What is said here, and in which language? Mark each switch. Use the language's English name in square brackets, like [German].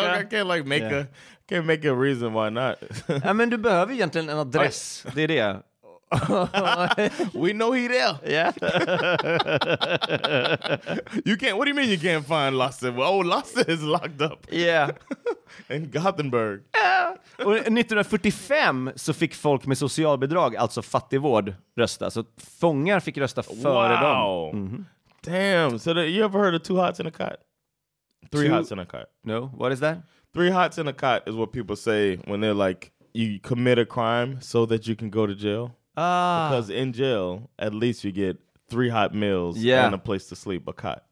[English] I can't like make can't make a reason why not. I mean, [Swedish] du behöver egentligen en adress. Det är det. [English] We know he there. Yeah. You can't. What do you mean you can't find Lasse? Oh, Lasse is locked up. Yeah. In Gothenburg. [Swedish] Och 1945 så fick folk med socialbidrag, alltså fattigvård, rösta. Så fångar fick rösta före dem. [English] Wow. Mm-hmm. Damn. So you ever heard of two hots in a cot? Hots in a cot. No, what is that? Three hots in a cot is what people say when they're like, you commit a crime so that you can go to jail. Ah. Because in jail, at least you get three hot meals and a place to sleep, a cot.